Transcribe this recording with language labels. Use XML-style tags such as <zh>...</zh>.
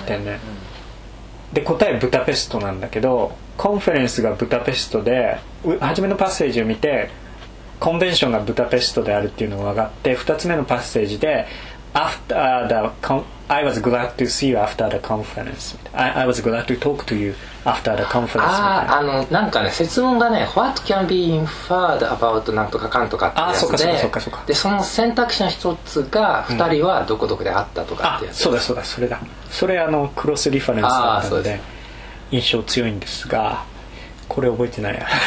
<ja>あったよね、うん、で答えブダペストなんだけど、コンフェレンスがブダペストで、初めのパッセージを見てコンベンションがブダペストであるっていうのが分かって、2つ目のパッセージで</ja> <en>After the I was glad to see you after the conference. I was glad to talk to you after the conference.</en> <ja>なんかね、設問がね、</ja> <en>What can be inferred about</en> <ja>なんとかかんとかってやつで、で、その選択肢の一つが、二人はどこどこで会ったとかってやつ、うん。あ、そうだそうだ、それだ。それクロスリファレンスだったので、で印象強いんですが、これ覚えてないや。</ja>